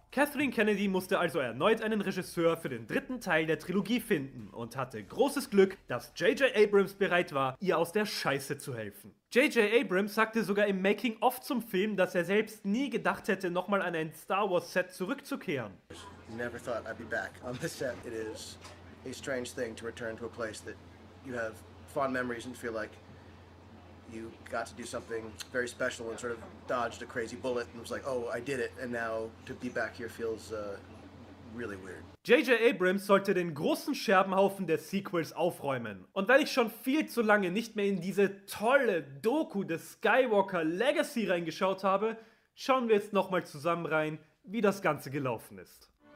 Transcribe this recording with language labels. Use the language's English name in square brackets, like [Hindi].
[German] Kathleen Kennedy musste also erneut einen Regisseur für den dritten Teil der Trilogie finden und hatte großes Glück, dass J.J. Abrams bereit war, ihr aus der Scheiße zu helfen. J.J. Abrams sagte sogar im Making-of zum Film, dass er selbst nie gedacht hätte, nochmal an ein Star Wars-Set zurückzukehren. [English] Never thought I'd be back on this set. It is a strange thing to return to a place that you have fond memories and feel like you got to do something very special and sort of dodged a crazy bullet and was like, oh, I did it. And now to be back here feels really weird. [German] J.J. Abrams sollte den großen Scherbenhaufen der Sequels aufräumen. Und weil ich schon viel zu lange nicht mehr in diese tolle Doku des Skywalker Legacy reingeschaut habe, schauen wir jetzt nochmal zusammen rein, wie das Ganze gelaufen ist.